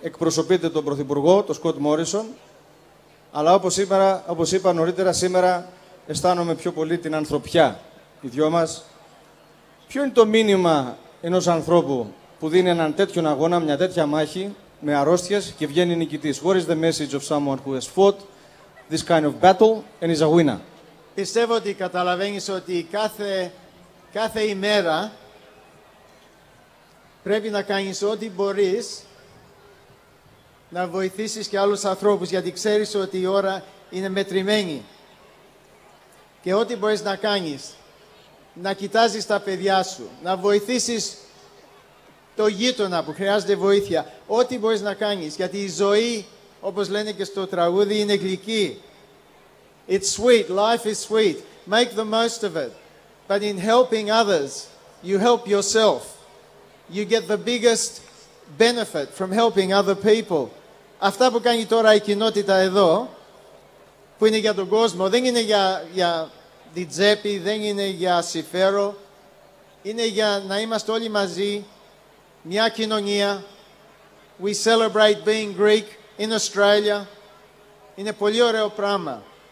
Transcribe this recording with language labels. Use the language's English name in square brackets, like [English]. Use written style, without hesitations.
[Greek] Εκπροσωπείτε τον Πρωθυπουργό, τον Σκοτ Μόρισον. Αλλά όπως είπα νωρίτερα, σήμερα αισθάνομαι πιο πολύ την ανθρωπιά, οι δυο μας. Ποιο είναι το μήνυμα ενός ανθρώπου που δίνει έναν τέτοιον αγώνα, μια τέτοια μάχη, με αρρώστιες και βγαίνει νικητής? [English] What is the message of someone who has fought this kind of battle and is a winner? [Greek] Πιστεύω ότι καταλαβαίνεις ότι κάθε ημέρα πρέπει να κάνεις ό,τι μπορείς να βοηθήσεις και άλλους ανθρώπους, γιατί ξέρεις ότι η ώρα είναι μετρημένη. Και ό,τι μπορείς να κάνεις, να κοιτάζεις τα παιδιά σου, να βοηθήσεις το γείτονα που χρειάζεται βοήθεια, ό,τι μπορείς να κάνεις, γιατί η ζωή, όπως λένε και στο τραγούδι, είναι γλυκή. [English] It's sweet, life is sweet. Make the most of it. But in helping others, you help yourself. You get the biggest benefit from helping other people. [Greek] Αυτά που κάνει τώρα η κοινότητα εδώ, που είναι για τον κόσμο, δεν είναι για την τσέπη, δεν είναι για συμφέρο, είναι για να είμαστε όλοι μαζί, μια κοινωνία. [English] We celebrate being Greek in Australia. [Greek] Είναι πολύ ωραίο πράγμα.